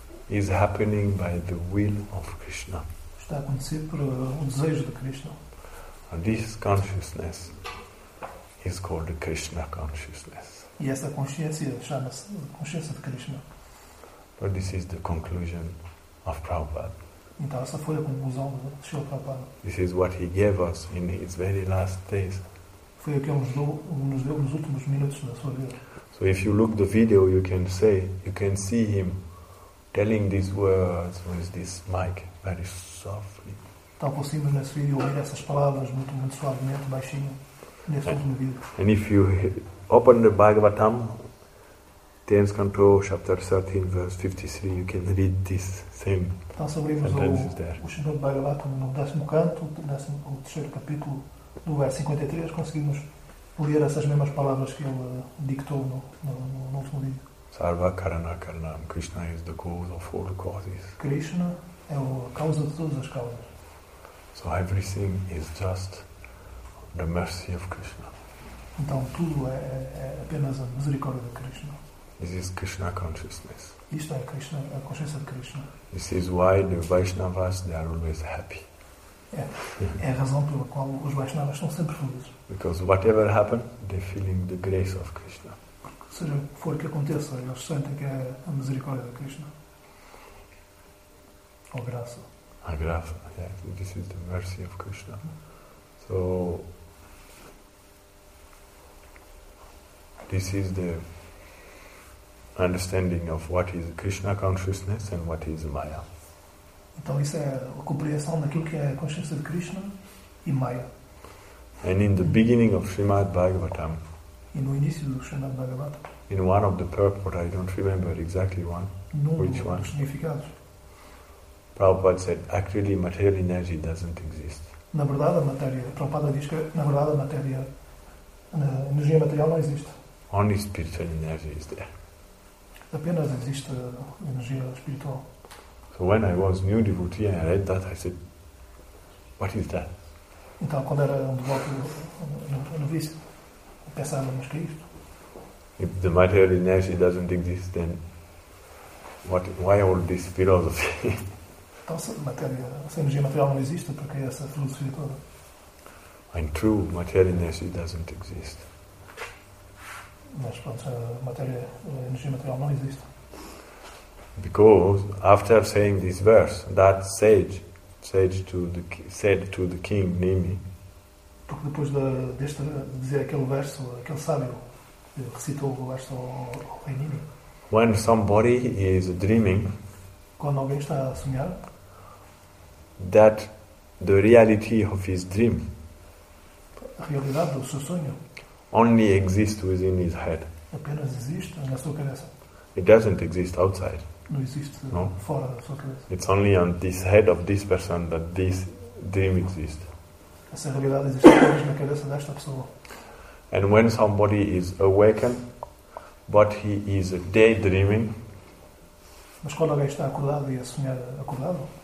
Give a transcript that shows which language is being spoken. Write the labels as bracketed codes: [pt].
[en] is happening by the will of Krishna. [pt] Está a acontecer por o desejo de Krishna. [en] And this consciousness is called the Krishna consciousness. [pt] E esta consciência chama-se consciência de Krishna. [en] But this is the conclusion of Prabhupada. [pt] Então essa foi a conclusão de Srila Prabhupada. [en] This is what he gave us in his very last days. [pt] Foi o que ele nos deu nos últimos minutos da sua vida. [en] So if you look the video, you can see him telling these words with this mic very softly. [pt] Então conseguimos nesse vídeo ouvir essas palavras muito, muito suavemente, baixinho, nesse último vídeo. [en] And if you open the Bhagavatam, 10th canto, chapter 13, verse 53, you can read this same. [pt] Então se abrimos o Shrimad Bhagavatam no 10º canto, o 3º capítulo, do verso 53, conseguimos ler essas mesmas palavras que ele dictou no último vídeo. [sa] Sarva karana karnam. [en] Krishna is the cause of all causes. [pt] Krishna é a causa de todas as causas. [en] So everything is just the mercy of Krishna. [pt] Então tudo é apenas a misericórdia de Krishna. [en] This is Krishna consciousness. [pt] Isto é Krishna, a consciência de Krishna. [en] This is why the Vaishnavas, they are always happy. [pt] É a razão pela qual os Vaishnavas estão sempre felizes. [en] Because whatever happens, they're feeling the grace of Krishna. [pt] Seja for o que aconteça, eles sentem que é a misericórdia de Krishna. Ou graça. A graça, yeah. [en] This is the mercy of Krishna. So, this is the understanding of what is Krishna consciousness and what is Maya. [pt] Então isso é a compreensão daquilo que é a consciência de Krishna e Maya. [en] And in the beginning of Srimad Bhagavatam. [pt] E no início do Srimad Bhagavatam. [en] In one of the purport, I don't remember exactly one. Which one? [pt] Significados. [en] Prabhupada said, actually, material energy doesn't exist. [pt] Na verdade, a matéria. Prabhupada diz que na verdade a energia material não existe. [en] Only spiritual energy is there. [pt] Apenas existe energia espiritual. [en] So when I was new devotee and I read that, I said, what is that? [pt] Então, quando era devoto, novício, pensava, mas que é isto? [en] If the material energy doesn't exist, then why all this philosophy? [pt] Então, se a energia material não existe, por que essa filosofia toda? [en] And true, material energy doesn't exist. [pt] Mas pronto, a energia material não existe. [en] Because after saying this verse, that sage said to the king Nimi. [pt] Porque depois deste dizer aquele verso, aquele sábio recitou o verso ao rei Nimi. [en] When somebody is dreaming, [pt] quando alguém está a sonhar, [en] that the reality of his dream, [pt] a realidade do seu sonho, [en] only exists within his head. [pt] Apenas existe na sua cabeça. [en] It doesn't exist outside. [pt] Não existe fora da sua cabeça. [en] It's only on this head of this person that this dream exists. [pt] Essa realidade existe apenas na cabeça desta pessoa. [en] And when somebody is awakened, but he is daydreaming, [pt] mas quando alguém está acordado e a sonhar acordado,